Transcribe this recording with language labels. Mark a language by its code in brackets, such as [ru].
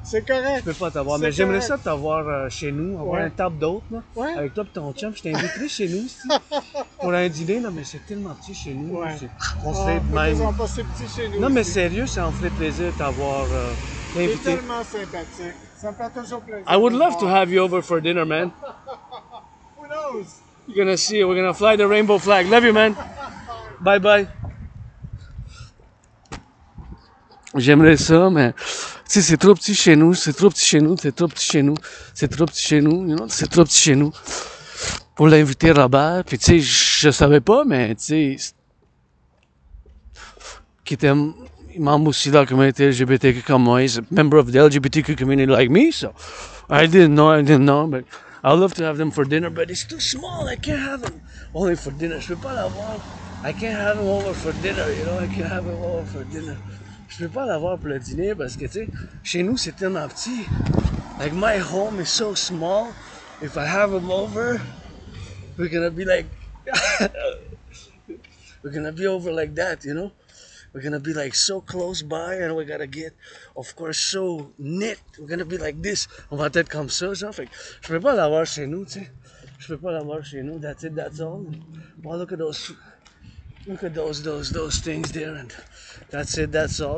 [fr] C'est correct. Je ne peux pas t'avoir, mais j'aimerais ça t'avoir chez nous, avoir une table d'hôte avec toi et ton chum. Je t'ai invité chez nous ici pour un dîner, là, mais c'est tellement petit chez nous. Ouais. C'est pas si petit chez nous. Non, mais sérieux, ça en ferait plaisir t'avoir invité. C'est tellement sympathique. Ça me fait toujours plaisir. [en] I would love to have you over for dinner, man. Who knows? You're going to see it. We're going to fly the rainbow flag. Love you, man. Bye bye. [fr] J'aimerais ça, mais tu sais, c'est trop petit chez nous, c'est trop petit chez nous, c'est trop petit chez nous, c'est trop petit chez nous, [en] you know, [fr] c'est trop petit chez nous. Pour l'inviter Robert, puis tu sais, je savais pas, mais tu sais, qui était membre aussi de la communauté LGBTQ comme moi, [en] he's a member of the LGBTQ community like me, so I didn't know, but I'd love to have them for dinner, but it's too small, I can't have them only for dinner, [fr] je peux pas l'avoir, [en] I can't have them over for dinner, you know, I can't have them over for dinner. [fr] Je peux pas l'avoir pour le dîner parce que, tu sais, chez nous, c'est tellement petit. [en] Like, my home is so small. If I have them over, we're gonna be like... we're gonna be over like that, you know? We're gonna be like so close by and we gotta get, of course, so knit. We're gonna be like this. [fr] On va être comme ça, genre. Fait que je peux pas l'avoir chez nous, tu sais. Je peux pas l'avoir chez nous. [en] That's it, that's all. Well, look at those... Look at those things there, and that's it, that's all.